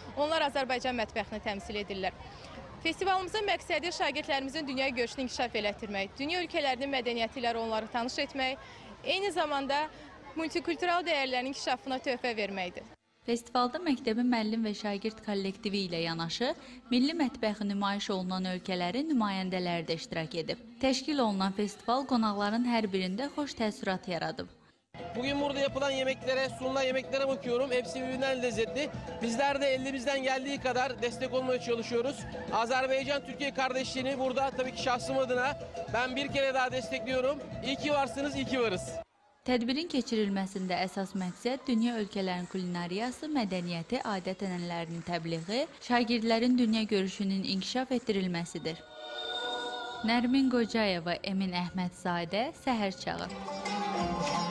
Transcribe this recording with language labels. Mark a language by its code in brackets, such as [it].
[az] Onlar Azərbaycan mətbəxini təmsil edirlər. Festivalımızın məqsədi şagirdlərimizin dünya görüşünü inkişaf elətdirmək, dünya ölkələrinin mədəniyyəti ilə onları tanış etmək, eyni zamanda multikultural dəyərlərin inkişafına töhfə verməkdir. Festivalda məktəbin müəllim və şagird kollektivi ilə yanaşı, milli mətbəxi nümayiş olunan ölkələrin nümayəndələri də iştirak edib. Təşkil olunan festival qonaqların hər birində xoş təəssürat yaradıb. [tr] Bugün burada yapılan yemeklere, sunulan yemeklere bakıyorum. Hepsi birbirinden lezzetli. Bizler de elimizden geldiği kadar destek olmaya çalışıyoruz. Azerbaycan-Türkiye kardeşliğini burada tabii ki şahsım adına ben bir kere daha destekliyorum. İyi ki varsınız, iyi ki varız. [az] Tədbirin keçirilməsində əsas məqsəd dünya ölkələrinin kulinariyası, mədəniyyəti, adət-ənənələrinin təbliği, şagirdlərin dünya görüşünün inkişaf etdirilməsidir. Nərmin Qocayeva, Emin Əhmədzadə, Səhər Çağı.